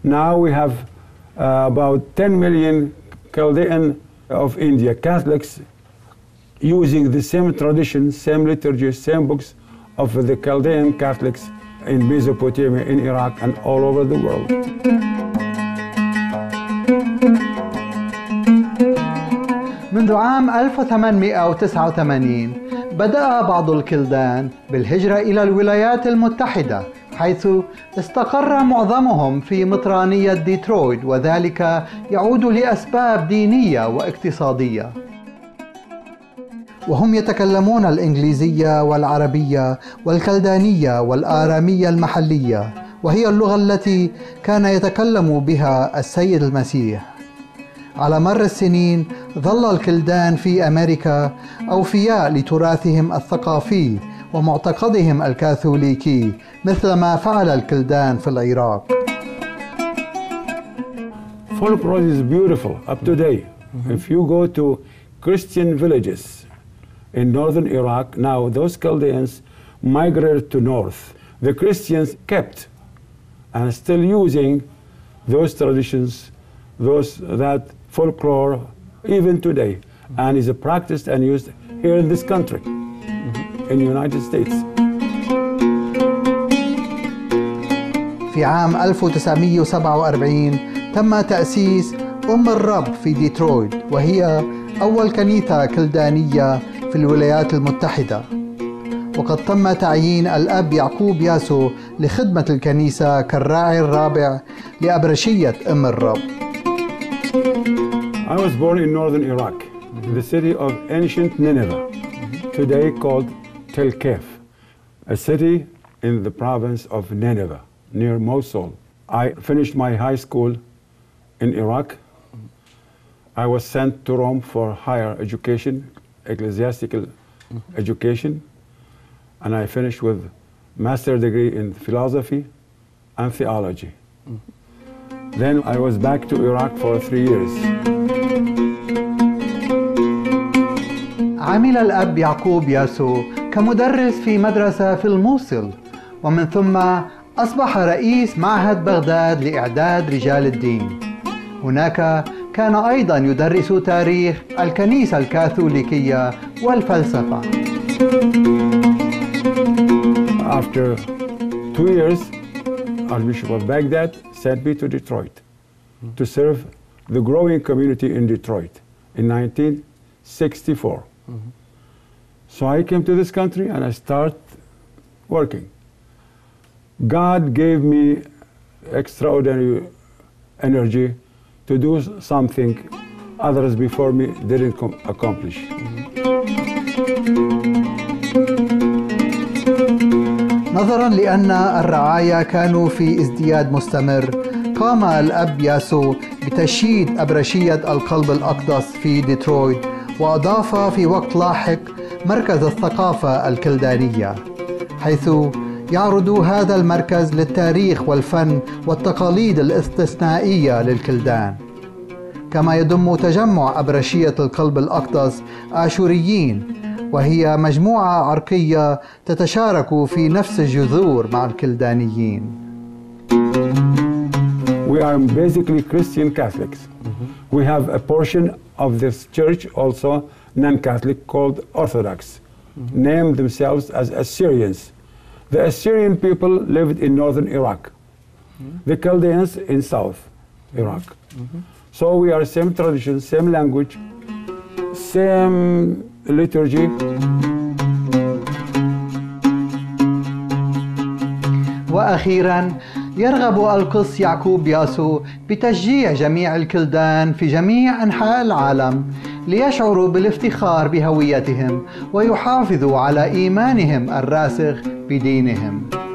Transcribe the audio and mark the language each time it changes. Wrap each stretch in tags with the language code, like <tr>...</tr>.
<en>Now we have about 10 million Chaldean of India, Catholics, using the same tradition, same liturgy, same books of the Chaldean Catholics in Mesopotamia, in Iraq, and all over the world.</en> <ar>منذ عام 1889 بدأ بعض الكلدان بالهجرة إلى الولايات المتحدة، حيث استقر معظمهم في مطرانية ديترويت، وذلك يعود لأسباب دينية واقتصادية، وهم يتكلمون الإنجليزية والعربية والكلدانية والآرامية المحلية، وهي اللغة التي كان يتكلم بها السيد المسيح. على مر السنين ظل الكلدان في أمريكا أوفياء لتراثهم الثقافي ومعتقدهم الكاثوليكي مثلما فعل الكلدان في العراق.</ar> <en>Folklore is beautiful up to date. If you go to Christian villages in northern Iraq, now those Chaldeans migrated to north. The Christians kept and still using those traditions, that folklore even today, and is practiced and used here in this country. In the United States.</en> <ar>في عام 1947 تم تأسيس أم الرب في ديترويت، وهي أول كنيسة كلدانية في الولايات المتحدة، وقد تم تعيين الأب يعقوب ياسو لخدمة الكنيسة كالراعي الرابع لأبرشية أم الرب.</ar> <en>I was born in northern Iraq, in the city of ancient Nineveh, today called Tel Kef, a city in the province of Nineveh, near Mosul. I finished my high school in Iraq. I was sent to Rome for higher education, ecclesiastical education, and I finished with a master's degree in philosophy and theology. Then I was back to Iraq for 3 years.</en> <ar>عمل الأب يعقوب ياسو كمدرس في مدرسة في الموصل، ومن ثم أصبح رئيس معهد بغداد لإعداد رجال الدين. هناك كان أيضا يدرس تاريخ الكنيسة الكاثوليكية والفلسفة.</ar> <en>After 2 years, Archbishop of Baghdad sent me to Detroit to serve the growing community in Detroit in 1964. So I came to this country and I start working. God gave me extraordinary energy to do something others before me didn't accomplish.</en> <ar>نظرا لأن الرعاية كانوا في ازدياد مستمر، قام الأب ياسو بتشييد أبرشية القلب الأقدس في ديترويت، وأضاف في وقت لاحق مركز الثقافة الكلدانية، حيث يعرض هذا المركز للتاريخ والفن والتقاليد الاستثنائية للكلدان، كما يضم تجمع أبرشية القلب الأقدس آشوريين، وهي مجموعة عرقية تتشارك في نفس الجذور مع الكلدانيين.</ar> <en>We are basically Christian Catholics. We have a portion of this church also non-Catholic called Orthodox, named themselves as Assyrians. The Assyrian people lived in northern Iraq. The Chaldeans in south Iraq. So we are same tradition, same language, same liturgy.</en> <ar>وأخيراً يرغب القس يعقوب ياسو بتشجيع جميع الكلدان في جميع أنحاء العالم ليشعروا بالافتخار بهويتهم ويحافظوا على إيمانهم الراسخ بدينهم.</ar>